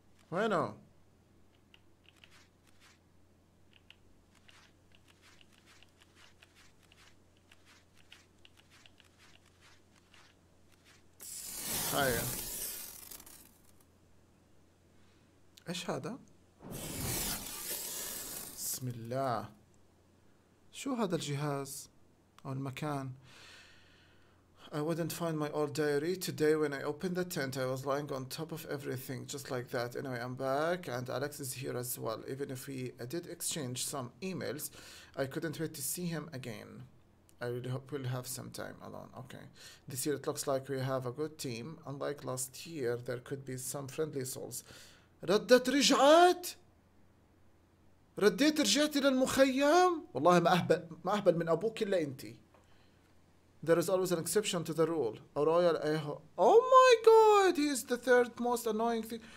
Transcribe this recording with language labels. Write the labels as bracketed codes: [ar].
[ar] وينه؟ هيا ايش هذا؟ بسم الله شو هذا الجهاز؟ أو المكان؟ [en] I wouldn't find my old diary. Today when I opened the tent I was lying on top of everything just like that. Anyway, I'm back and Alex is here as well. Even if we did exchange some emails, I couldn't wait to see him again. I really hope we'll have some time alone. Okay. This year it looks like we have a good team. Unlike last year, there could be some friendly souls. [ar] ردت رجعت؟ رديت رجعت إلى المخيم؟ والله ما أهبل من أبوك إلا أنت. [en] There is always an exception to the rule. A royal echo. Oh my god, he is the third most annoying thing.